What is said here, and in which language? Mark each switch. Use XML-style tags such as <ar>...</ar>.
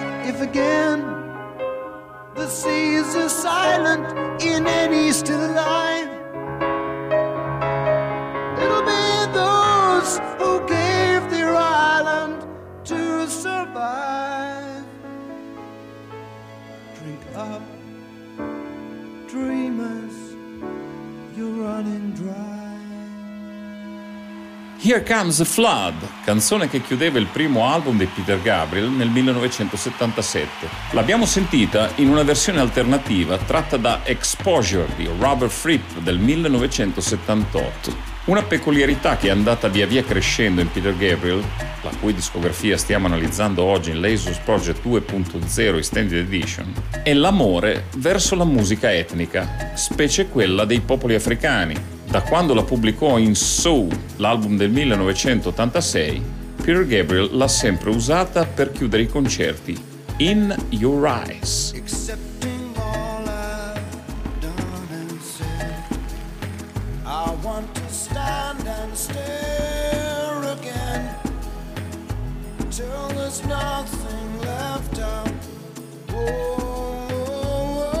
<en>If again the seas are silent in any still alive, it'll be those who gave their island to survive. Drink up, dreamers, you're running dry.</en> <it>Here Comes the Flood, canzone che chiudeva il primo album di Peter Gabriel nel 1977. L'abbiamo sentita in una versione alternativa tratta da Exposure di Robert Fripp del 1978. Una peculiarità che è andata via via crescendo in Peter Gabriel, la cui discografia stiamo analizzando oggi in Lasers Project 2.0 Extended Edition, è l'amore verso la musica etnica, specie quella dei popoli africani. Da quando la pubblicò in Soul, l'album del 1986, Peter Gabriel l'ha sempre usata per chiudere i concerti.</it> <en>In Your Eyes. Accepting all I've done and said, I want to stand and stare again till there's nothing left out. Oh,</en>